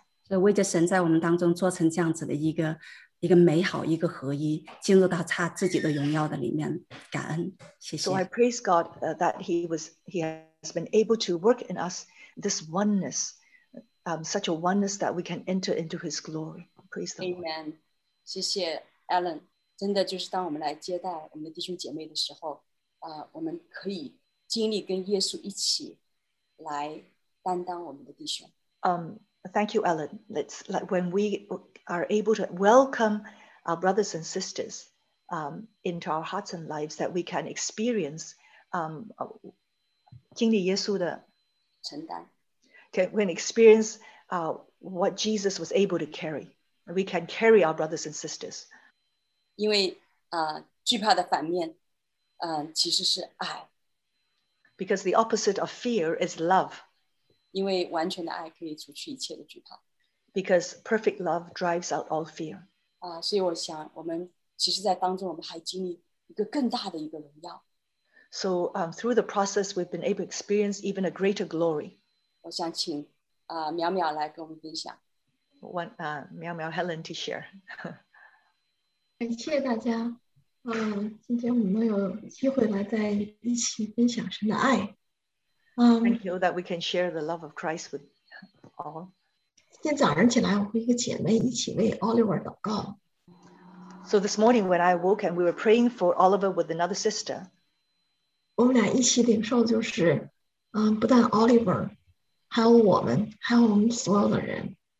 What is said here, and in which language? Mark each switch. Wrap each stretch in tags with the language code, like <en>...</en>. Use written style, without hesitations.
<zh>So, 为着神在我们当中做成这样子的一个美好一个合一，进入到他自己的荣耀的里面，感恩，谢谢。</zh> <en>So I praise God that He has been able to work in us this oneness, such a oneness that we can enter into His glory. Praise the Lord. Amen.</en> <zh>谢谢 Alan， 真的就是当我们来接待我们的弟兄姐妹的时候，我们可以经历跟耶稣一起来担当我们的弟兄。</zh> <en>Thank you, Alan. When we are able to welcome our brothers and sisters into our hearts and lives, that we can experience</en> <zh>经历耶稣的承担</zh> <en>，can experience what Jesus was able to carry. We can carry our brothers and sisters.</en> <zh>因为惧怕的反面其实是爱。</zh> <en>Because the opposite of fear is love.</en> <zh>因为完全的爱可以除去一切的惧怕。</zh> <en>Because perfect love drives out all fear.</en> <zh>所以我想我们其实在当中我们还经历一个更大的一个荣耀。</zh> <en>So through the process, we've been able to experience even a greater glory.</en> <zh>我想请淼淼来跟我们分享。</zh> <en>苗苗 Helen to share.</en> <zh>感谢大家，今天我们有机会来在一起分享神的爱。</zh> <en>Thank you that we can share the love of Christ with all.</en> <zh>今天早上起来，我和一个姐妹一起为 Oliver 祷告。</zh> <en>So this morning when I woke and we were praying for Oliver with another sister.</en> <zh>我们俩一起领受就是，不但 Oliver， 还有我们所有的人。</zh>